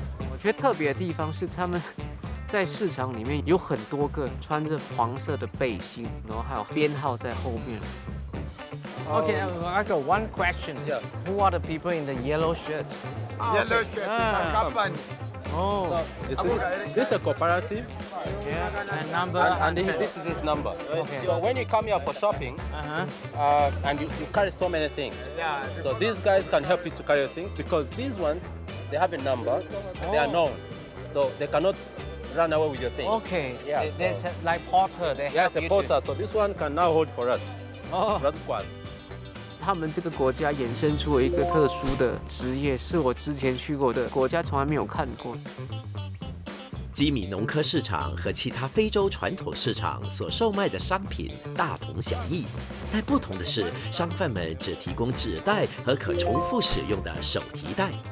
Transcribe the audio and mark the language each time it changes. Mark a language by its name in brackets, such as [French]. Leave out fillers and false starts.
[Chinese] 我觉得特别的地方是他们在市场里面有很多个穿着黄色的背心，然后还有编号在后面。 [English] Okay, I got one question. Yeah. Who are the people in the yellow shirt? Yellow shirt is a company. Oh. So, this is a cooperative. Yeah. And number. And this is his number. Okay. So when you come here for shopping, and you carry so many things, so these guys can help you to carry your things because these ones. They have a number, and they are known, so they cannot run away with your things. Okay. Yes. There's like porter. They yes, the porter. So this one can now hold for us. Oh. Not quite. [Chinese] 他们这个国家衍生出了一个特殊的职业，是我之前去过的国家从来没有看过。基米农科市场和其他非洲传统市场所售卖的商品大同小异，但不同的是，商贩们只提供纸袋和可重复使用的手提袋。